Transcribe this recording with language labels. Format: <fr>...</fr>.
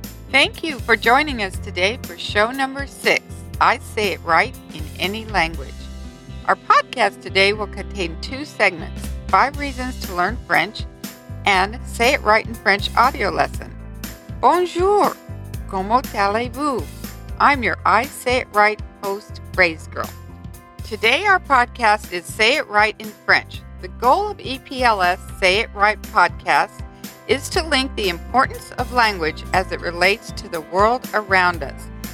<en>Thank you for joining us today for show number 6, I Say It Right in Any Language. Our podcast today will contain 2 segments, 5 Reasons to Learn French and Say It Right in French audio lesson.</en> <fr>Bonjour, comment allez-vous?</fr> <en>I'm your I Say It Right host, Phrase Girl. Today our podcast is Say It Right in French. The goal of EPLS Say It Right podcast is to link the importance of language as it relates to the world around us.</en>